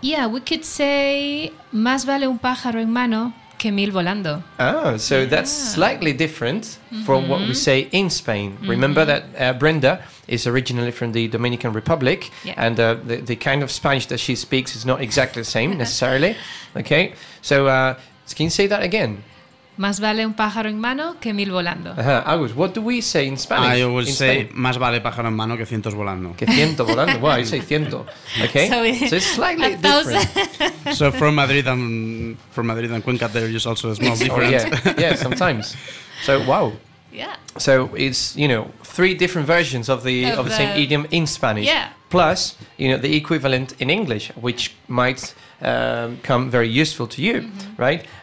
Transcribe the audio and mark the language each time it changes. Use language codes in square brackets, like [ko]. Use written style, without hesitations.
[en] Yeah, we could say, [es] más vale un pájaro en mano que mil volando. [en] Oh, so yeah. that's slightly different mm-hmm. from what we say in Spain. Mm-hmm. Remember that Brenda is originally from the Dominican Republic, yeah. and the kind of Spanish that she speaks is not exactly the same, necessarily. Okay, so can you say that again? [es] Más vale un pájaro en mano que mil volando. [en] Uh-huh. Agus, what do we say in Spanish? I always say, [es] más vale pájaro en mano que cientos volando. Que ciento volando. [en] Wow, you say ciento. Okay. So it's slightly different. So from Madrid and Cuenca, there is also a small difference. Oh, yeah. Yeah, sometimes. So, wow. Yeah. So it's, you know, three different versions of the same idiom in Spanish. Yeah. Plus, you know, the equivalent in English, which might come very useful to you, mm-hmm. right?